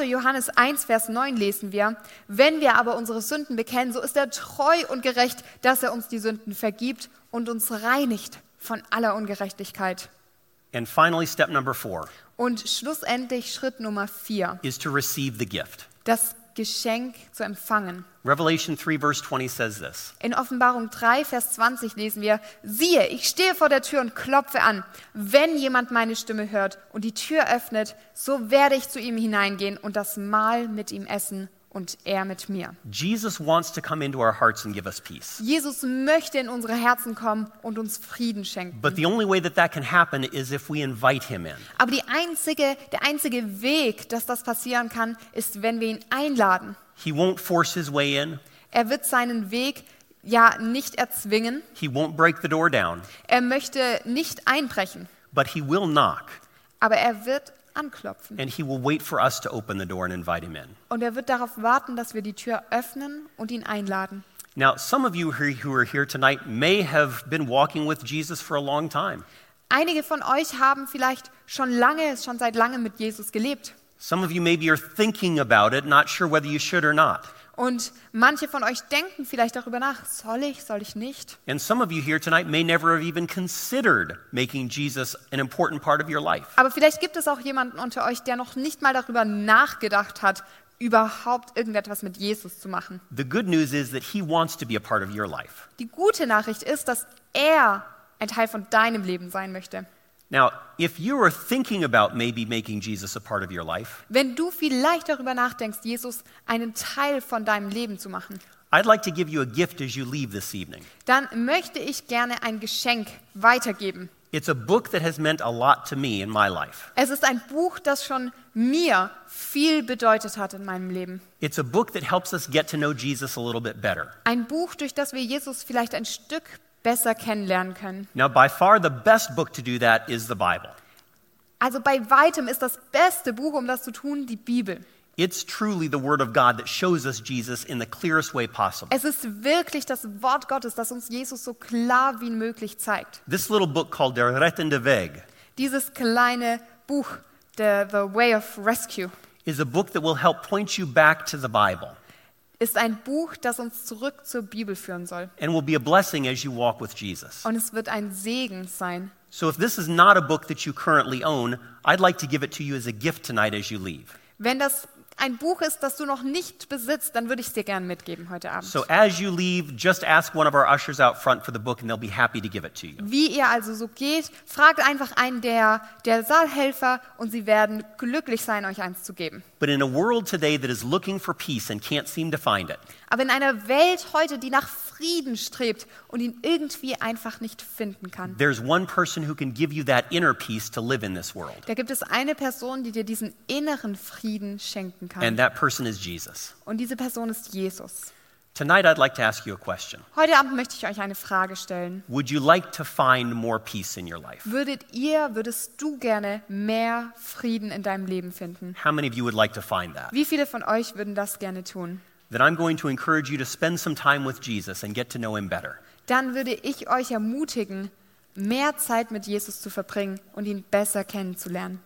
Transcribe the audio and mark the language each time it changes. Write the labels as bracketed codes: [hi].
[de] Johannes 1, Vers 9 lesen wir, wenn wir aber unsere Sünden bekennen, so ist er treu und gerecht, dass er uns die Sünden vergibt und uns reinigt von aller Ungerechtigkeit. [en] And finally, step number 4. [de] Und schlussendlich Schritt Nummer 4. [en] Is to receive the gift. [de] Das Geschenk zu empfangen. [en] Revelation 3 verse 20 says this. [de] In Offenbarung 3 Vers 20 lesen wir: Siehe, ich stehe vor der Tür und klopfe an. Wenn jemand meine Stimme hört und die Tür öffnet, so werde ich zu ihm hineingehen und das Mahl mit ihm essen und er mit mir. [en] Jesus wants to come into our hearts and give us peace. [de] Jesus möchte in unsere Herzen kommen und uns Frieden schenken. [en] But the only way that that can happen is if we invite him in. [de] Aber der einzige Weg, dass das passieren kann, ist, wenn wir ihn einladen. [en] He won't force his way in. [de] Er wird seinen Weg ja nicht erzwingen. [en] He won't break the door down. [de] Er möchte nicht einbrechen. [en] But he will knock. [de] Aber er wird anklopfen. [en] And he will wait for us to open the door and invite him in. [de] Und er wird darauf warten, dass wir die Tür öffnen und ihn einladen. [en] Now, some of you who are here tonight may have been walking with Jesus for a long time. [de] Einige von euch haben vielleicht schon seit langem mit Jesus gelebt. [en] Some of you maybe are thinking about it, not sure whether you should or not. [de] Und manche von euch denken vielleicht darüber nach, soll ich nicht? [en] And some of you here tonight may never have even considered making Jesus an important part of your life. [de] Aber vielleicht gibt es auch jemanden unter euch, der noch nicht mal darüber nachgedacht hat, überhaupt irgendetwas mit Jesus zu machen. [en] The good news is that he wants to be a part of your life. [de] Die gute Nachricht ist, dass er ein Teil von deinem Leben sein möchte. [en] Now, if you are thinking about maybe making Jesus a part of your life, [de] wenn du vielleicht darüber nachdenkst, Jesus einen Teil von deinem Leben zu machen, [en] I'd like to give you a gift as you leave this evening. [de] Dann möchte ich gerne ein Geschenk weitergeben. [en] It's a book that has meant a lot to me in my life. [de] Es ist ein Buch, das schon mir viel bedeutet hat in meinem Leben. [en] It's a book that helps us get to know Jesus a little bit better. [de] Ein Buch, durch das wir Jesus vielleicht ein Stück besser kennenlernen können. [en] Now, by far the best book to do that is the Bible. [de] Also bei weitem ist das beste Buch, um das zu tun, die Bibel. [en] It's truly the word of God that shows us Jesus in the clearest way possible. [de] Es ist wirklich das Wort Gottes, das uns Jesus so klar wie möglich zeigt. [en] This little book called Der rettende Weg. [de] Dieses kleine Buch, the Way of Rescue. [en] Is a book that will help point you back to the Bible. [de] Ist ein Buch, das uns zurück zur Bibel führen soll. [en] And will be a blessing as you walk with Jesus. [de] Und es wird ein Segen sein. [en] So if this is not a book that you currently own, I'd like to give it to you as a gift tonight as you leave. [de] Wenn das ein Buch ist, das du noch nicht besitzt, dann würde ich es dir gerne mitgeben heute Abend. [en] So as you leave, just ask one of our ushers out front for the book and they'll be happy to give it to you. [de] Wie ihr also so geht, fragt einfach einen der Saalhelfer und sie werden glücklich sein, euch eins zu geben. [en] But in a world today that is looking for peace and can't seem to find it. [de] Aber in einer Welt heute, die nach Frieden strebt und ihn irgendwie einfach nicht finden kann. [en] There's one person who can give you that inner peace to live in this world. [de] Da gibt es eine Person, die dir diesen inneren Frieden schenken kann. [en] And that person is Jesus. [de] Und diese Person ist Jesus. [en] Tonight I'd like to ask you a question. [de] Heute Abend möchte ich euch eine Frage stellen. [en] Would you like to find more peace in your life? [de] Würdest du gerne mehr Frieden in deinem Leben finden? [en] How many of you would like to find that? [de] Wie viele von euch würden das gerne tun? [en] Then I'm going to encourage you to spend some time with Jesus and get to know him better. [de] Dann würde ich euch ermutigen, mehr Zeit mit Jesus zu verbringen und ihn besser kennenzulernen.